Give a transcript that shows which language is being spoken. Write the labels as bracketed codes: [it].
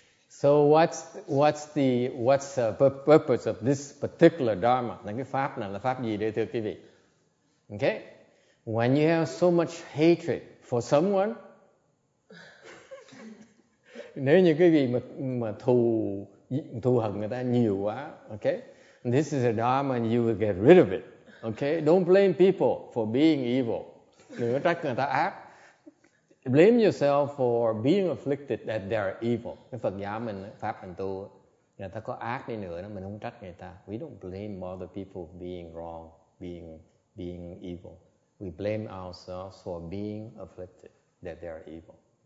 [en] So what's the purpose of this particular dharma? [vi] Là cái pháp này là pháp gì đây thưa quý vị? Okay? [en] When you have so much hatred for someone, [vi] nếu như quý vị mà thù hận người ta nhiều quá, okay? [en] This is a dharma and you will get rid of it. Okay? Don't blame people for being evil. [vi] Đừng có trách người ta ác. [en] Blame yourself for being afflicted that they are evil. [vi] Cái Phật giáo mình, pháp hành tu, người ta có ác đi nữa, mình không trách người ta. [en] We don't blame other people being wrong, being evil. We blame ourselves for being afflicted that they are evil.